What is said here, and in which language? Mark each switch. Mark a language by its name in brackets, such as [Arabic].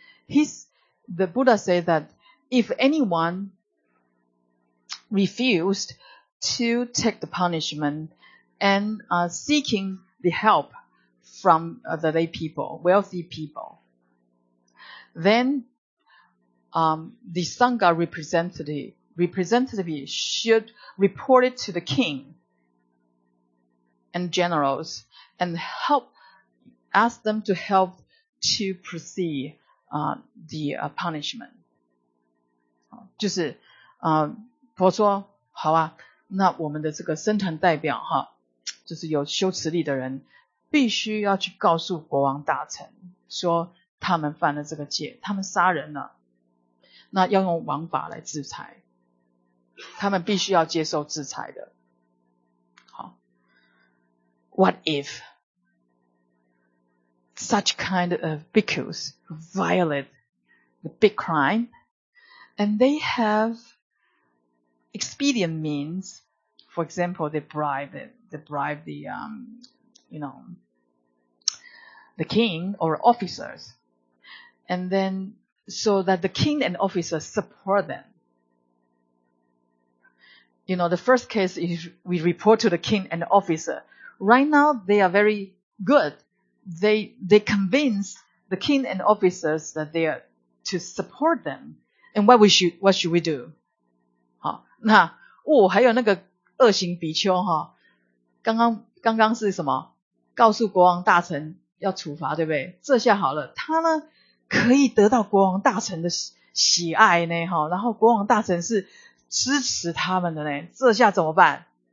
[English] The Buddha said that if anyone refused to take the punishment and seeking the help from the lay people, wealthy people, then the Sangha representative should report it to the king and generals and help, ask them to help to proceed punishment. [Chinese] 就是佛说好啊，那我们的这个僧团代表哈，就是有修持力的人必须要去告诉国王大臣说他们犯了这个戒，他们杀人了，那要用王法来制裁，他们必须要接受制裁的。 [English] 好， What if such kind of bhikkhus violate the big crime and they have expedient means? For example, they bribe the you know, the king or officers, and then so that the king and officers support them. You know, the first case is we report to the king and the officer. Right now, they are very good. They convince the king and officers that they are to support them. And what should we do? [Chinese] 好，那哦，还有那个恶行比丘哈，刚刚是什么？告诉国王大臣要处罚，对不对？这下好了，他呢可以得到国王大臣的喜爱呢，哈，然后国王大臣是支持他们的呢，这下怎么办？